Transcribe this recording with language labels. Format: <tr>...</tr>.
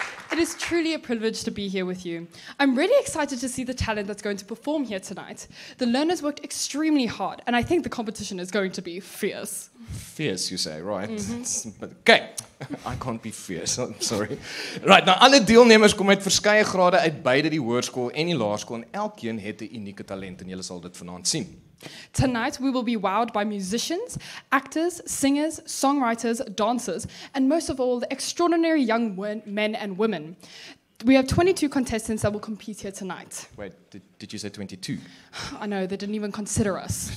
<en>It is truly a privilege to be here with you. I'm really excited to see the talent that's going to perform here tonight. The learners worked extremely hard, and I think the competition is going to be fierce. Fierce, you say, right? Mm-hmm. Okay, I can't be fierce, I'm sorry.</en> <af>Right, nou alle deelnemers kom uit verskeie grade uit beide die hoërskool en die laerskool, en elkeen het 'n unieke talent, en julle sal dit vanaand sien.</af> <en>Tonight we will be wowed by musicians, actors, singers, songwriters, dancers, and most of all the extraordinary young men and women. We have 22 contestants that will compete here tonight. Wait, did you say 22? I know, they didn't even consider us.</en>